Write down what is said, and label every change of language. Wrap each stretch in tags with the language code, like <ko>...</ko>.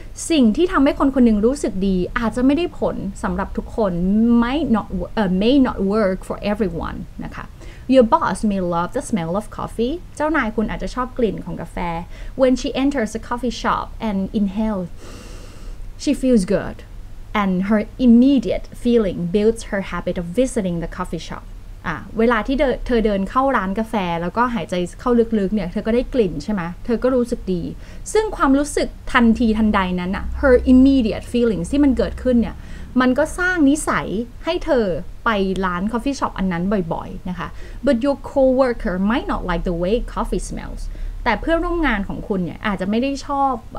<th>สิ่งที่ทำให้คนคนหนึ่งรู้สึกดีอาจจะไม่ได้ผลสำหรับทุกคน</th> <en>may not work for everyone</en> <th>นะคะ</th> <en>Your boss may love the smell of coffee.</en> <th>เจ้านายคุณอาจจะชอบกลิ่นของกาแฟ</th> <en>When she enters a coffee shop and inhales, she feels good. And her immediate feeling builds her habit of visiting the coffee shop.</en> <th>เวลาที่เธอเดินเข้าร้านกาแฟแล้วก็หายใจเข้าลึกๆเนี่ยเธอก็ได้กลิ่นใช่ไหมเธอก็รู้สึกดีซึ่งความรู้สึกทันทีทันใดนั้นอะ</th> <en>her immediate feeling</en> <th>ที่มันเกิดขึ้นเนี่ยมันก็สร้างนิสัยให้เธอไปร้าน coffee shop อันนั้นบ่อยๆนะคะ</th> <en>but your coworker might not like the way coffee smells</en> <th>แต่เพื่อนร่วมงานของคุณเนี่ยอาจจะไม่ได้ชอบ</th>